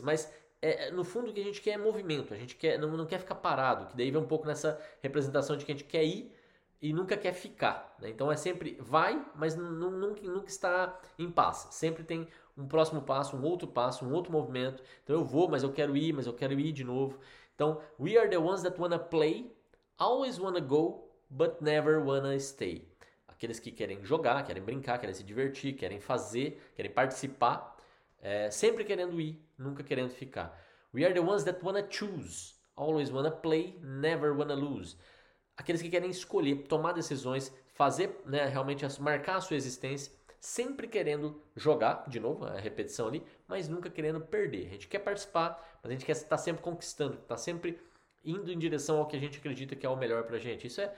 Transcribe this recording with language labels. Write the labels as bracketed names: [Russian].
[Portuguese] Mas no fundo o que a gente quer é movimento, a gente quer, não quer ficar parado, que daí vem um pouco nessa representação de que a gente quer ir e nunca quer ficar, né? Então é sempre vai, mas nunca está em paz. Sempre tem um próximo passo, um outro movimento. Então eu vou, mas eu quero ir de novo. [English] Então, we are the ones that wanna play, always wanna go, but never wanna stay. [Portuguese] Aqueles que querem jogar, querem brincar, querem se divertir, querem fazer, querem participar, sempre querendo ir, nunca querendo ficar. [English] We are the ones that wanna choose, always wanna play, never wanna lose. [Portuguese] Aqueles que querem escolher, tomar decisões, fazer, né, realmente marcar a sua existência, sempre querendo jogar, de novo, a repetição ali, mas nunca querendo perder. A gente quer participar, mas a gente quer estar sempre conquistando, estar sempre indo em direção ao que a gente acredita que é o melhor pra gente.